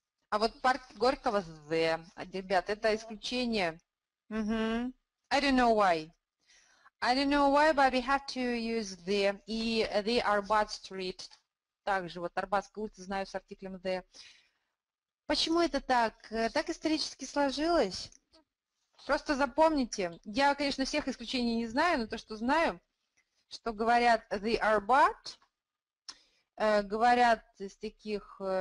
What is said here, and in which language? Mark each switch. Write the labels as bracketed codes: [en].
[ru] А вот парк Горького с «the». Ребят, это исключение. [en] Mm-hmm. I don't know why. I don't know why, but we have to use «the». [ru] И «the» Арбат Street. Также вот Арбатская улица, знаю, с артиклем «the». Почему это так? Так исторически сложилось? Просто запомните. Я, конечно, всех исключений не знаю, но то, что знаю, что говорят «the» Арбат, говорят из таких...